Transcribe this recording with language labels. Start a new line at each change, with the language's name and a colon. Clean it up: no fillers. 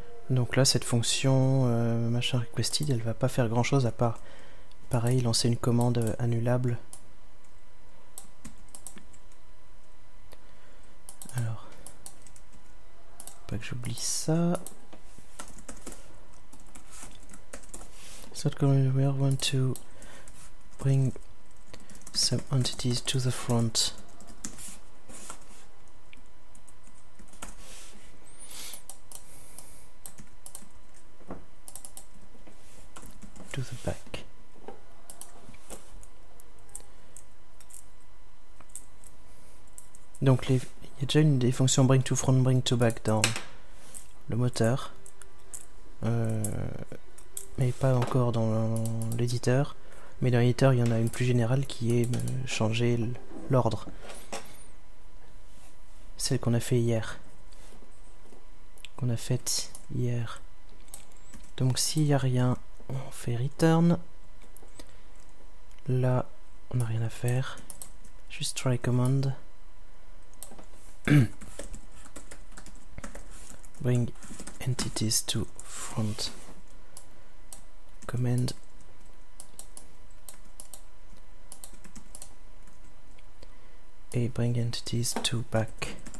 French: Donc là, cette fonction machin requested, elle va pas faire grand chose à part pareil lancer une commande annulable. Alors, pas que j'oublie ça.
English: Start calling, we want to bring some entities to the front.
French: Donc il y a déjà une des fonctions bring to front, bring to back dans le moteur, mais pas encore dans l'éditeur. Mais dans l'éditeur, il y en a une plus générale qui est changer l'ordre, celle qu'on a fait hier, qu'on a faite hier. Donc s'il n'y a rien, on fait return. Là, on n'a rien à faire, juste try command.
English: Bring entities to front command. Et bring entities to back.